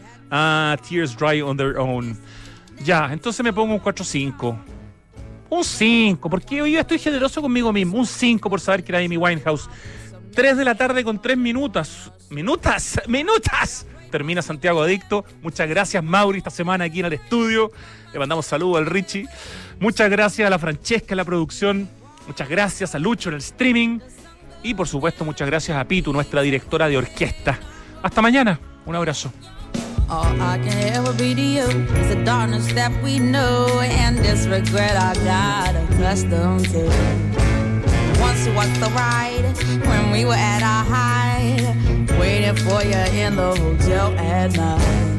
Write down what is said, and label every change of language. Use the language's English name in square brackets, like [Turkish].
[English] Ah, Tears Dry on Their Own. [Spanish] Ya, entonces me pongo un 4-5. Un 5, porque yo estoy generoso conmigo mismo. Un 5 por saber que era Amy Winehouse. 3 de la tarde con 3 minutos. ¡Minutas! ¡Minutas! Termina Santiago Adicto. Muchas gracias, Mauri, esta semana aquí en el estudio. Le mandamos saludos al Richie. Muchas gracias a la Francesca en la producción. Muchas gracias a Lucho en el streaming. Y, por supuesto, muchas gracias a Pitu, nuestra directora de orquesta. Hasta mañana. Un abrazo. [English] All I can ever be to you is the darkness that we know and this regret I got accustomed to. Once it was the ride when we were at our height, waiting for you in the hotel at night.